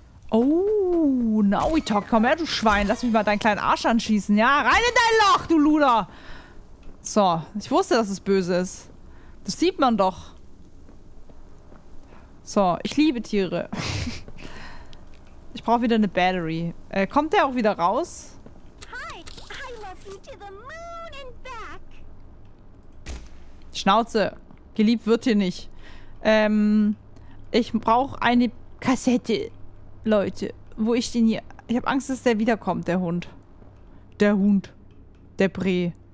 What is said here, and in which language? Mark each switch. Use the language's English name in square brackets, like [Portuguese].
[English] Oh, now we talk. [German] Komm her, du Schwein. Lass mich mal deinen kleinen Arsch anschießen, ja? Rein in dein Loch, du Luder! So, ich wusste, dass es böse ist. Das sieht man doch. So, ich liebe Tiere. Ich brauche wieder eine Battery. Kommt der auch wieder raus? [English] Hi, I love you to the moon and back. [German] Schnauze. Geliebt wird hier nicht. Ich brauche eine Kassette, Leute. Wo ich den hier... Ich habe Angst, dass der wiederkommt, der Hund. Der Hund. Der Bree.